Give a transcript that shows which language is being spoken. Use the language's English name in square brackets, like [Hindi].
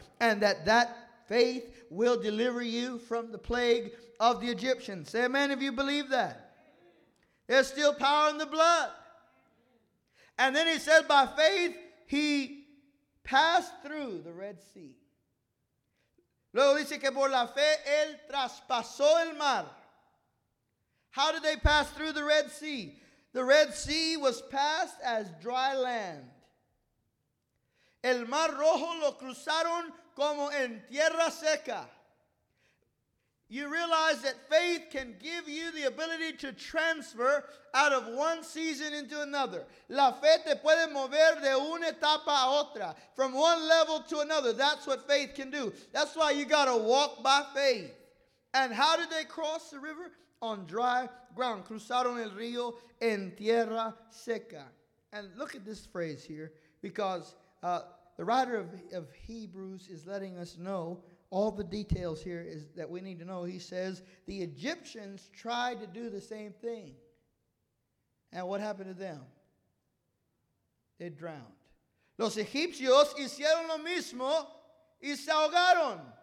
[English] And that faith will deliver you from the plague of the Egyptians. Say amen if you believe that. There's still power in the blood. And then he said, by faith, he passed through the Red Sea. [Spanish] Luego dice que por la fe, él traspasó el mar. [English] How did they pass through the Red Sea? The Red Sea was passed as dry land. [Spanish] El mar rojo lo cruzaron como en tierra seca. [English] You realize that faith can give you the ability to transfer out of one season into another. [Spanish] La fe te puede mover de una etapa a otra, [English] from one level to another. That's what faith can do. That's why you got to walk by faith. And how did they cross the river? On dry ground. [Spanish] Cruzaron el río en tierra seca. [English] And look at this phrase here, because the writer of Hebrews is letting us know all the details here is that we need to know. He says, the Egyptians tried to do the same thing. And what happened to them? They drowned. [Spanish] Los egipcios hicieron lo mismo y se ahogaron.